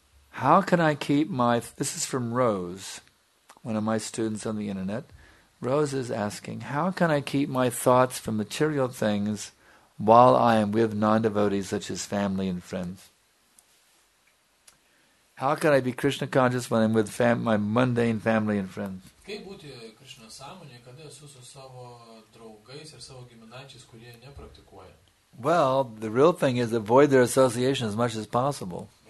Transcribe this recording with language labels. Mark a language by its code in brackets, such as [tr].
[en] How can I keep my... This is from Rose, one of my students on the internet. Rose is asking, how can I keep my thoughts from material things while I am with non-devotees such as family and friends? How can I be Krishna conscious when I'm with my mundane family and friends? [lt] Kaip būti Krishna sąmonė, kada esu su savo draugais ir savo giminaičiais, kurie nepraktikuoja? [en] Well, the real thing is avoid their association as much as possible.